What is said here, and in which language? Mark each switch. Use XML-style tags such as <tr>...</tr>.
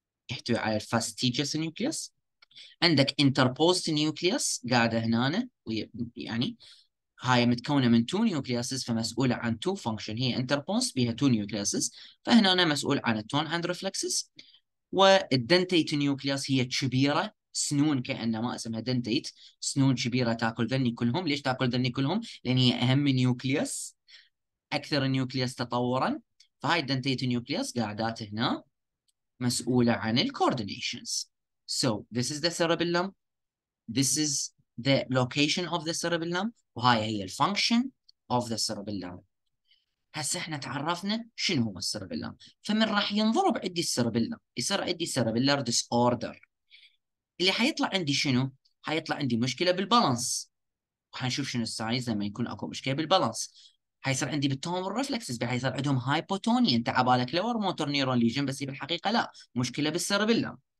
<ar>يحتوي على الفاستيجيوس نيوكليس، عندك انتربوست نيوكليس قاعده هنا، يعني هاي متكونه من تو نيوكليسز فمسؤوله عن تو فانكشن، هي انتربوست بها تو نيوكليسز فهنا أنا مسؤول عن التون اند ريفلكسز، والدنتيت نيوكليس هي كبيره سنون كانما اسمها دنتيت، سنون كبيره تاكل ذني كلهم. ليش تاكل ذني كلهم؟ لان هي اهم نيوكليس اكثر نيوكليس تطورا، فهاي الدنتيت نيوكليس قاعدات هنا مسؤوله عن الكوردينيشنز.</ar> <en>So this is the cerebellum, this is the location of the cerebellum,</en> <ar>وهاي هي الفانكشن</ar> <en>of the cerebellum.</en> <ar>هسه احنا تعرفنا شنو هو السيربيلم، فمن راح ينضرب عندي السيربيلم يصير عندي سيربيلر ديس اوردر اللي حيطلع عندي شنو؟ حيطلع عندي مشكله بالبالانس، وحنشوف شنو السايز لما يكون اكو مشكله بالبالانس. حيصير عندي بالتون والرفلكسز حيصير عندهم هايبوتوني، انت عبالك لور موتور نيرون ليجن بس بالحقيقه لا، مشكله بالسيربيلم.</ar>